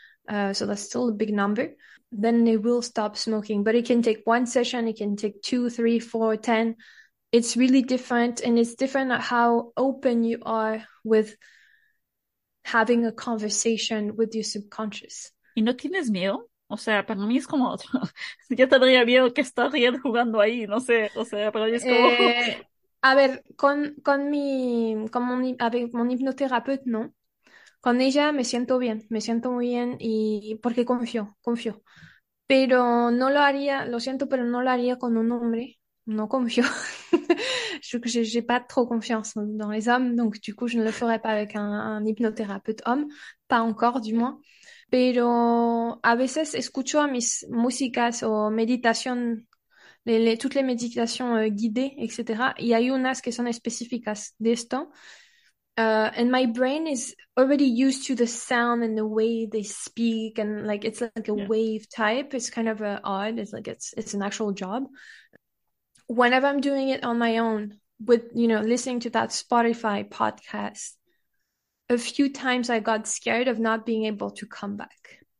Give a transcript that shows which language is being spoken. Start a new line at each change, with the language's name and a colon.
English: So that's still a big number. Then they will stop smoking. But it can take one session. It can take two, three, four, ten. It's really different. And it's different at how open you are with having a conversation with your subconscious.
Spanish: ¿Y no tienes miedo? O sea, para mí es como... Yo tendría miedo que estarían jugando ahí, no sé. O sea, para mí es como... A ver, con mi hipnoterapeuta, ¿no? Con ella me siento muy bien y porque confío. Pero no lo haría, lo siento, pero no lo haría con un hombre. No confío. Yo creo que
French: j'ai pas trop confiance dans les hommes, donc du coup je ne le ferai pas avec un hipnoterapeuta homme, pas encore du moins.
Spanish: Pero a veces escucho a mis músicas o meditación.
French: Toutes les méditations guidées, etc. Il y a
Spanish: unas que son específicas de esto.
English: And my brain is already used to the sound and the way they speak. And like, it's like a wave type. It's kind of odd. It's like, it's an actual job. Whenever I'm doing it on my own, with, you know, listening to that Spotify podcast, a few times I got scared of not being able to come back.